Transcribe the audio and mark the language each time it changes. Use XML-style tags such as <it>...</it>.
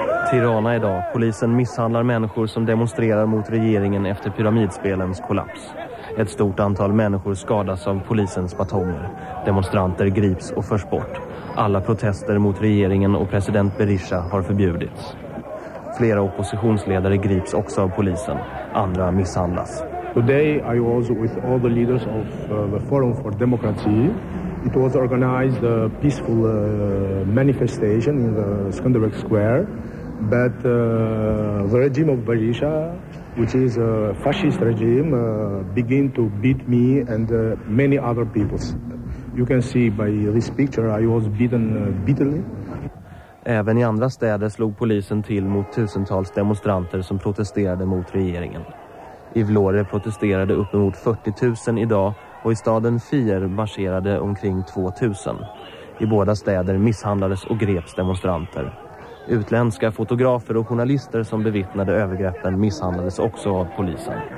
<sv>Tirana idag. Polisen misshandlar människor som demonstrerar mot regeringen efter pyramidspelens kollaps. Ett stort antal människor skadas av polisens batonger. Demonstranter grips och förs bort. Alla protester mot regeringen och president Berisha har förbjudits. Flera oppositionsledare grips också av polisen. Andra misshandlas.</sv> <en>Today I was with all the leaders of the Forum for Democracy. It was organized a peaceful manifestation in the Skanderbeg Square, but the regime of Berisha, which is a fascist regime, begin to beat me and many other people. You can see by this picture I was beaten bitterly.</en> <sv>Även i andra städer slog polisen till mot tusentals demonstranter som protesterade mot regeringen. I Vlore protesterade uppemot 40 000 idag och i staden Fier marscherade omkring 2 000. I båda städer misshandlades och greps demonstranter. Utländska fotografer och journalister som bevittnade övergreppen misshandlades också av polisen.</sv>